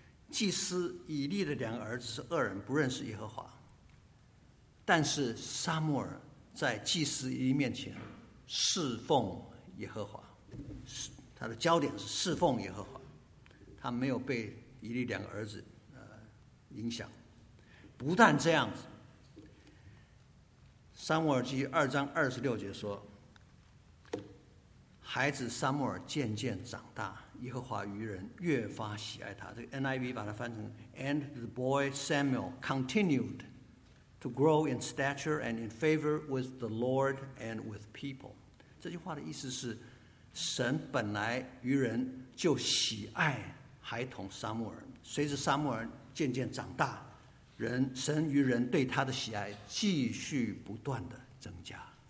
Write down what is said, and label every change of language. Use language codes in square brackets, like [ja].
[zh] 祭司以利的两个儿子是恶人，不认识耶和华，但是撒母耳在祭司以利面前侍奉耶和华，他的焦点是侍奉耶和华，他没有被以利两个儿子影响。不但这样子，撒母耳记二章二十六节说，孩子撒母耳渐渐长大，耶和华与人越发喜爱他。这个 NIV 把它翻成 [en] And the boy Samuel continued to grow in stature and in favor with the Lord and with people. [zh] 这句话的意思是神本来与人就喜爱孩童撒母耳，随着撒母耳渐渐长大，人神与人对他的喜爱继续不断的增加。